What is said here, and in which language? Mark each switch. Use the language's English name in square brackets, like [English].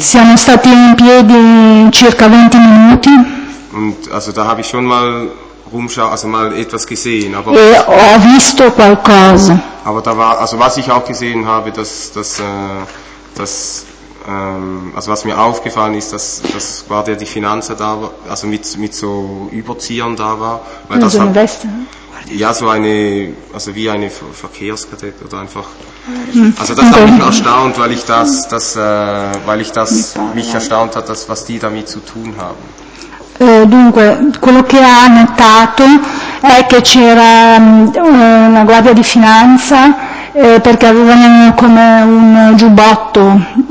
[Italian] Siamo stati in piedi circa 20 minuti. [German] Und also da habe ich schon mal rumschau, also mal etwas gesehen, aber [Italian] e ho visto qualcosa. [German] Aber da war, also was ich auch gesehen habe, also was mir aufgefallen ist, dass war der die Finanza da war, also mit so Überziehern da war, weil das so eine Weste. Ja, so eine, also wie eine Verkehrskadett oder einfach. Also das hat mich erstaunt, weil ich das mich erstaunt hat, dass was die damit zu tun haben. [Italian] Dunque, quello che ha notato è che c'era una guardia di finanza perché avevano come un giubbotto.